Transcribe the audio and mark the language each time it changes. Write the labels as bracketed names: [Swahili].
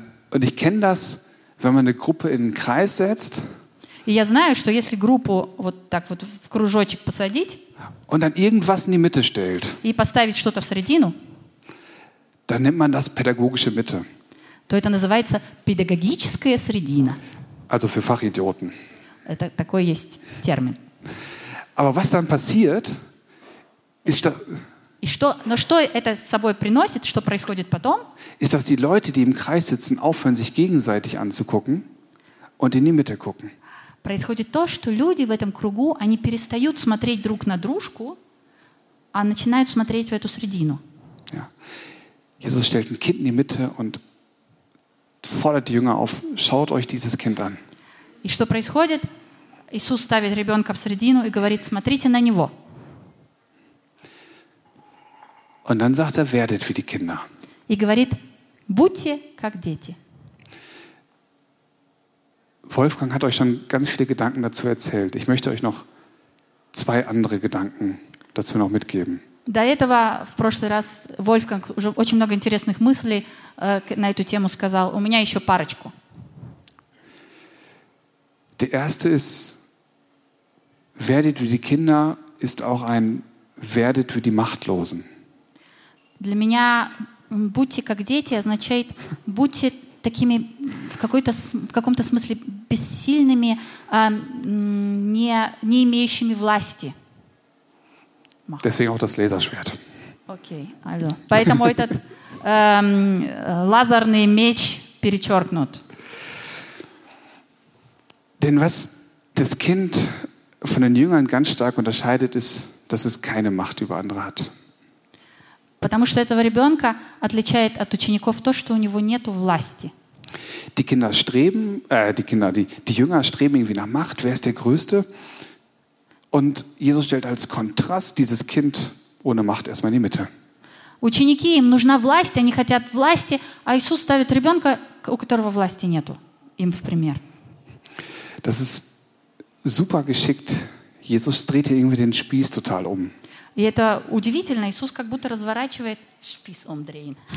[German] Und ich kenne das, wenn man eine Gruppe in einen Kreis setzt. [Russian] И я знаю, что если группу вот так вот в кружочек посадить. [German] Und dann irgendwas in die Mitte stellt. [Russian] И поставить что-то в середину. [German] Dann nennt man das pädagogische Mitte. [Russian] То это называется педагогическая средина. [German] Also für Fachidioten. [Russian] Это такой есть термин. [German] Aber was dann passiert, ist das... [Russian] И что, но что это с собой приносит, что происходит потом? [German] Ist, dass die Leute, die im Kreis sitzen, aufhören, sich gegenseitig anzugucken und in die Mitte gucken. [Russian] Происходит то, что люди в этом кругу, они перестают смотреть друг на дружку, а начинают смотреть в эту средину. [German] Ja. Jesus stellt ein Kind in die Mitte und fordert die Jünger auf, schaut euch dieses Kind an. [Russian] И что происходит? Иисус ставит ребенка в середину и говорит, смотрите на него. [German] Und dann sagt er, werdet wie die Kinder. [Russian] И говорит, будьте как дети. [German] Wolfgang hat euch schon ganz viele Gedanken dazu erzählt. Ich möchte euch noch zwei andere Gedanken dazu noch mitgeben. [Russian] До этого, в прошлый раз, Вольфганг уже очень много интересных мыслей на эту тему сказал. У меня еще парочку. [German] Der erste ist, werdet wie die Kinder, ist auch ein werdet wie die Machtlosen. [Russian] Для меня будьте как дети означает будьте такими в каком-то смысле бессильными, не имеющими власти. [German] Deswegen auch das Laserschwert. Okay, also, [Russian] поэтому этот лазерный меч перечеркнут. [German] Denn was das Kind von den Jüngern ganz stark unterscheidet, ist, dass es keine Macht über andere hat. [Russian] Потому что этого ребенка отличает от учеников то, что у него нету власти. [German] Die Kinder streben, die Jünger streben irgendwie nach Macht. Wer ist der Größte? Und Jesus stellt als Kontrast dieses Kind ohne Macht erstmal in die Mitte. [Russian] Ученики, им нужна власть, они хотят власти, а Иисус ставит ребенка, у которого власти нету, им в пример. [German] Das ist super geschickt. Jesus dreht hier irgendwie den Spieß total um. [Russian] И это удивительно, Иисус как будто разворачивает [German] Spieß umdrehen.